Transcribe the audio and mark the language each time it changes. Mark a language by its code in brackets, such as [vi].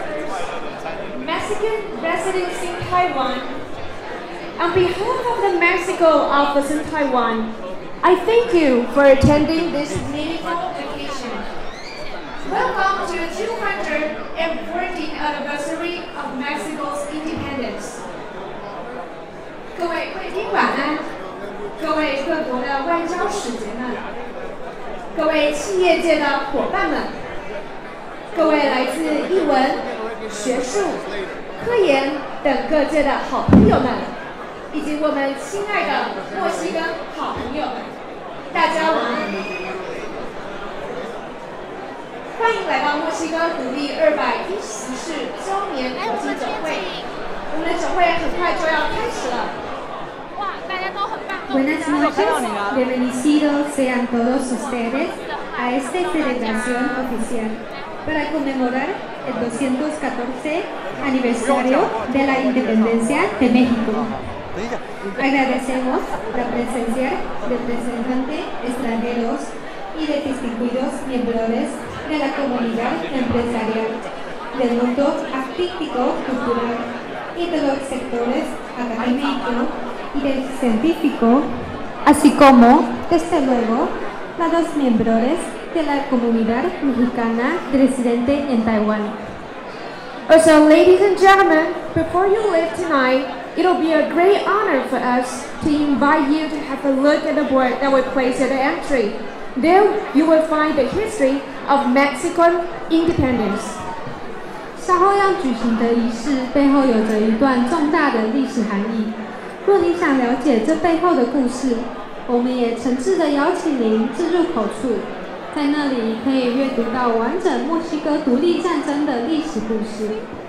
[en] residents in Taiwan, on behalf of the Mexico office in Taiwan, I thank you for attending this meaningful occasion. Welcome to the 240th anniversary of Mexico's independence. [zh] 各位贵宾晚安，各位各国的外交使节们，各位企业界的伙伴们，各位来自艺文、学术、科研等各界的好朋友们，以及我们亲爱的墨西哥好朋友们，大家晚安。欢迎来到墨西哥独立214周年国际展会，我们的展会很快就要开始了。 [es] Buenas noches, bienvenidos sean todos ustedes a esta celebración oficial para conmemorar el 214 aniversario de la independencia de México. Agradecemos la presencia de representantes extranjeros y de distinguidos miembros de la comunidad empresarial, del mundo artístico, cultural y de los sectores académicos. Y del científico, así como, desde luego, a los miembros de la comunidad mexicana residente en Taiwan. [en] Also, ladies and gentlemen, before you leave tonight, it'll be a great honor for us to invite you to have a look at the board that we place at the entry. There, you will find the history of Mexican independence. [zh] 稍后要举行的仪式背后有着一段重大的历史含义。若你想了解这背后的故事，我们也诚挚地邀请您至入口处，在那里可以阅读到完整墨西哥独立战争的历史故事。